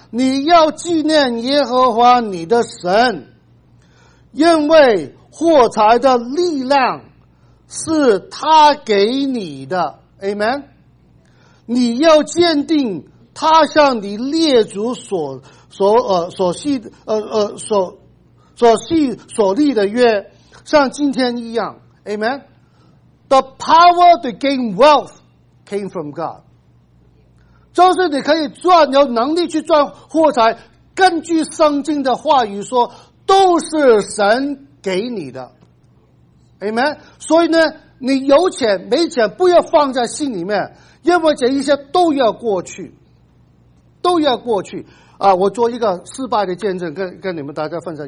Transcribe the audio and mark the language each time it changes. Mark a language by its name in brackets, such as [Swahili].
[Chinese] 你要纪念耶和华你的神，因为获财的力量是他给你的 ，Amen。你要坚定。他向你列祖所立的约，像今天一样 ，Amen。 [English] The power to gain wealth came from God， [Chinese] 就是你可以赚，有能力去赚货财。根据圣经的话语说，都是神给你的 ，Amen。所以呢，你有钱没钱不要放在心里面，因为这一些都要过去。都要过去啊！我做一个失败的见证，跟你们大家分享。